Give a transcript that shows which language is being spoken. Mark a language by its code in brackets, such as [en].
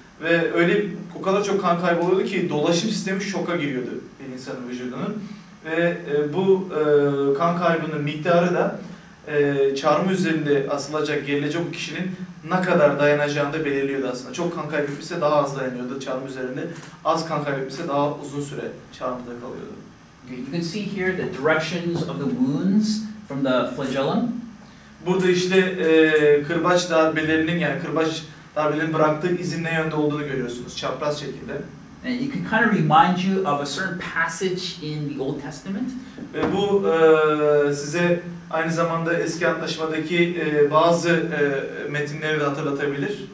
[tr] Ve öyle o kadar çok kan kayboluyordu ki dolaşım sistemi şoka giriyordu bir insanın vücudunun. Ve bu kan kaybının miktarı da çarmı üzerinde asılacak, gerilecek bu kişinin ne kadar dayanacağını da belirliyordu aslında. Çok kan kaybetmişse daha az dayanıyordu çarmı üzerinde. Az kan kaybetmişse daha uzun süre çarmıda kalıyordu. [en] You can see here the directions of the wounds from the flagellum. [tr] Burada işte kırbaç darbelerinin, yani kırbaç darbelerinin bıraktığı izin ne yönde olduğunu görüyorsunuz. Çapraz şekilde. [en] And it can kind of remind you of a certain passage in the Old Testament. [tr] Ve bu size aynı zamanda eski antlaşmadaki bazı metinleri de hatırlatabilir.